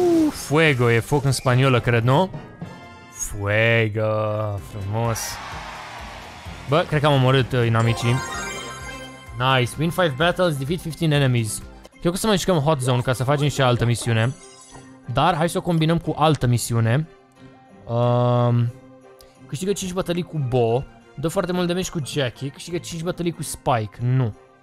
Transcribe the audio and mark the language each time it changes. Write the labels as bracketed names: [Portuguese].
[Romanian] Fuego, e foc în spaniolă, cred, nu? Fuego, frumos. Bă, cred că am omorât inamicii. [English] Nice, win 5 battles, defeat 15 enemies. [Romanian] Cred că o să mai jucăm hot zone ca să facem și altă misiune. Dar hai să o combinăm cu altă misiune. Câștigă 5 bătălii cu Bo, dă foarte mult damage cu Jackie, câștigă 5 bătălii cu Spike, nu.